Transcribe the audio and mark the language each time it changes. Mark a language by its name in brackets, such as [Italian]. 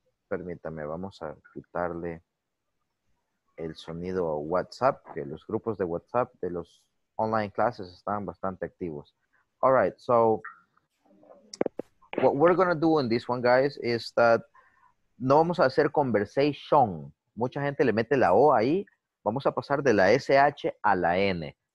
[Spanish] Permítame, vamos a quitarle el sonido a WhatsApp, que los grupos de WhatsApp de los [English] online classes [Spanish] están bastante activos. [English] All right, so what we're going to do in this one, guys, is that [Spanish] no vamos a hacer conversation. Mucha gente le mete la O ahí. Vamos a pasar de la SH a la N.